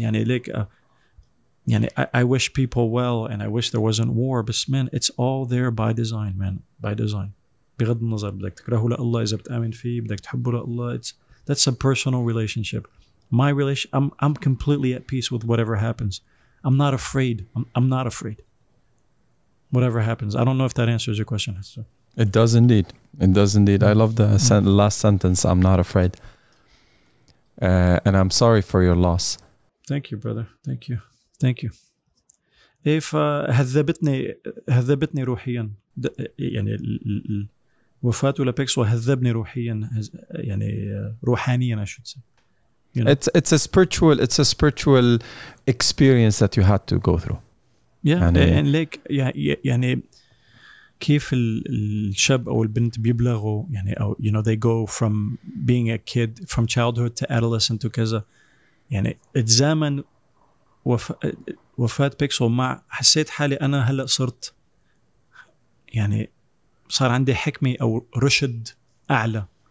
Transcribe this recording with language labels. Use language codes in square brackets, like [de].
[en] يعني like يعني I wish people well and I wish there wasn't war but man it's all there by design man by design [ar] بغض النظر بدك تكرهه لله إذا بتأمن فيه بدك تحبه لله [en] it's that's a personal relationship my relation I'm completely at peace with whatever happens I'm not afraid I'm not afraid whatever happens I don't know if that answers your question so. It does indeed I love the last sentence I'm not afraid and I'm sorry for your loss thank you brother thank you. [ar] إيه فهذبتني روحيا يعني وفاته لبيكسو هذبني روحيا يعني روحانيا [en] I should say. You know? It's a spiritual experience that you had to go through. Yeah. [ar] يعني [en] and like [ar] يعني كيف الشاب أو البنت بيبلغوا يعني أو [en] you know they go from being a kid from childhood to adolescent to [ar] كذا يعني اتزامن وفاة بيكسل مع حسيت حالي أنا هلأ صرت يعني صار عندي حكمة أو رشد أعلى